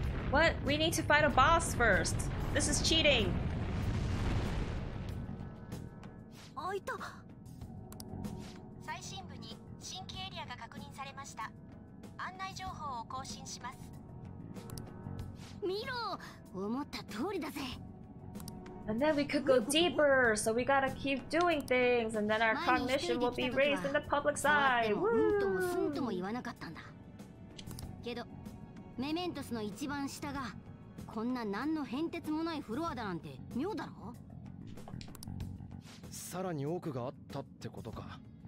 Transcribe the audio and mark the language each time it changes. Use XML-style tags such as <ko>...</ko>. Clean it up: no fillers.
<en>What? We need to fight a boss first. This is cheating.</en> <ja>あ、いた。最深部に新規エリアが確認されました。案内情報を更新します。見ろ、思った通りだぜ。</ja> <en>And then we could go deeper, so we gotta keep doing things, and then our cognition will be raised in the public's eye.</en> <ja>Woo! うんともすんとも言わなかったんだ。けど、メメントスの一番下がこんな何の変哲もないフロアだなんて妙だろ？さらに奥があったってことか。</ja>